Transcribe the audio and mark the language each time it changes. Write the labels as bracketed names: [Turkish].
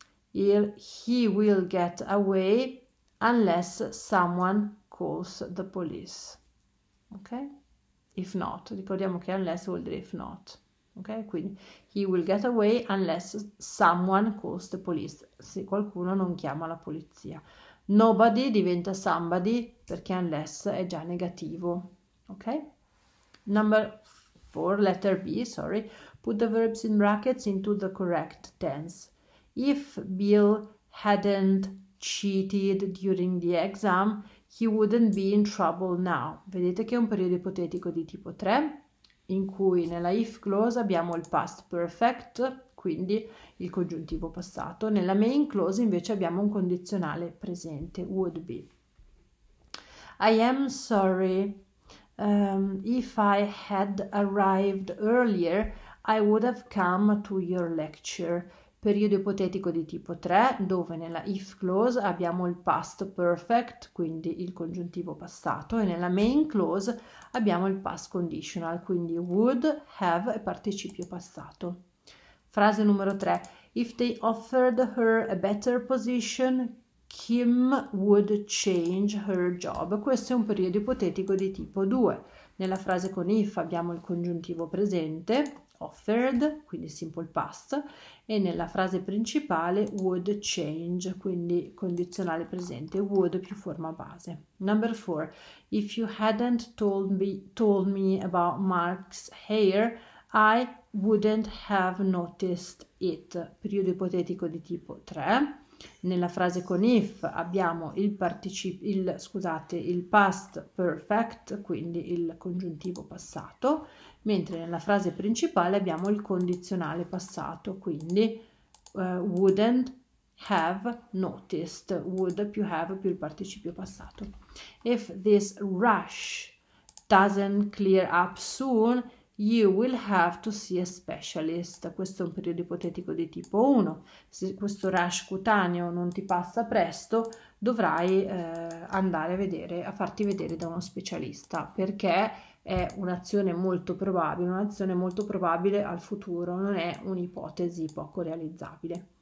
[English] He will get away unless someone calls the police. Ok? [Italian] If not, ricordiamo che unless vuol dire if not. Ok? [English] Quindi he will get away unless someone calls the police. [Italian] Se qualcuno non chiama la polizia. Nobody diventa somebody perché unless è già negativo. [English] Ok? Number four, letter B, sorry. Put the verbs in brackets into the correct tense. If Bill hadn't cheated during the exam, he wouldn't be in trouble now. [Italian] Vedete che è un periodo ipotetico di tipo 3, in cui nella if clause abbiamo il past perfect, quindi il congiuntivo passato. Nella main clause invece abbiamo un condizionale presente, would be. [English] I am sorry. If I had arrived earlier, I would have come to your lecture. [Italian] Periodo ipotetico di tipo 3, dove nella if clause abbiamo il past perfect, quindi il congiuntivo passato, e nella main clause abbiamo il past conditional, quindi would have e participio passato. Frase numero 3. [English] If they offered her a better position, Kim would change her job. [Italian] Questo è un periodo ipotetico di tipo 2. Nella frase con if abbiamo il congiuntivo presente. Offered, quindi simple past, e nella frase principale would change, quindi condizionale presente, would più forma base. [English] Number four, if you hadn't told me about Mark's hair, I wouldn't have noticed it. [Italian] Periodo ipotetico di tipo 3. Nella frase con if abbiamo il past perfect, quindi il congiuntivo passato, mentre nella frase principale abbiamo il condizionale passato, quindi wouldn't have noticed, would più have più il participio passato. [English] If this rash doesn't clear up soon, you will have to see a specialist. [Italian] Questo è un periodo ipotetico di tipo 1. Se questo rash cutaneo non ti passa presto, dovrai andare a farti vedere da uno specialista perché è un'azione molto probabile, un'azione molto probabile al futuro, non è un'ipotesi poco realizzabile.